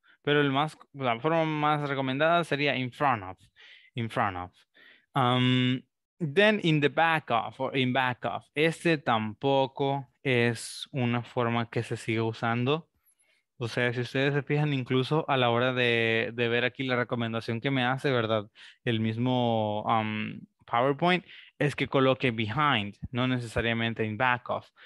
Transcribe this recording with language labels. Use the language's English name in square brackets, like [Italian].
[Spanish] Pero el más, la forma más recomendada sería in front of, in front of. [English] Then in the back of, or in back of. [Spanish] Este tampoco es una forma que se sigue usando. O sea, si ustedes se fijan incluso a la hora de ver aquí la recomendación que me hace, ¿verdad? El mismo PowerPoint, es que coloque behind, no necesariamente in back of.